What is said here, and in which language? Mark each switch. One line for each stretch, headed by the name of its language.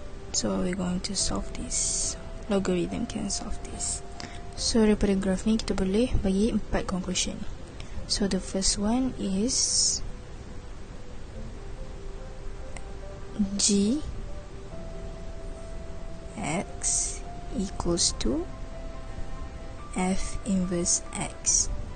English: So we're going to solve this. Logarithm can solve this.
Malay: So daripada graph ni kita boleh bagi 4 conclusion.
English: So the first one is gx equals to f inverse x.